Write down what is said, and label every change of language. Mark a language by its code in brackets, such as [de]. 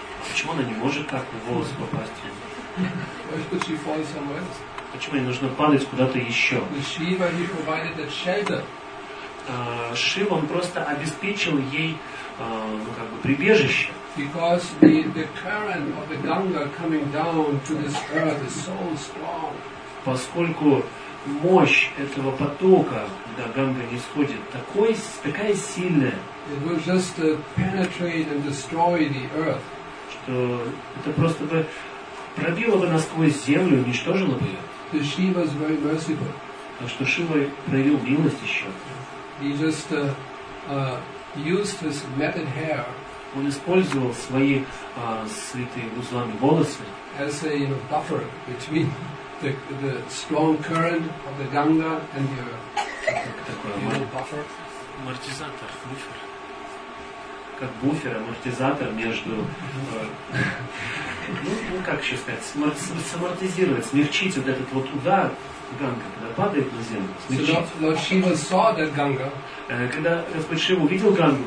[ru] Почему она не может так в волосы попасть? [en] Why could she fall somewhere else? [ru] Почему ей нужно падать куда-то еще? Шива не [en] provided a shelter. [ru] Шива, он просто обеспечил ей, ну, как бы, прибежище. [en] Because the current of the Ganga coming down to this earth is so strong. [ru] Поскольку мощь этого потока, когда Ганга нисходит, такая сильная. [en] It will just penetrate and destroy the earth. [ru] Что это просто бы пробило бы насквозь землю, уничтожило бы ее. [en] The Shiva is very merciful. [ru] Так что Шива проявил милость еще. [en] He just used his matted hair. [ru] Он использовал свои свитые узлами волосы. [en] As a, you know, buffer between the strong current of the Ganga and the earth. [ru] Такой амортизатор, буфер. Как буфер, амортизатор между. Ну, как еще сказать, самортизировать, смягчить вот этот вот удар Ганга, когда падает на землю, смягчить. [en] So Lord Shiva saw that Ganga. [ru] Когда Господь Шива увидел Гангу,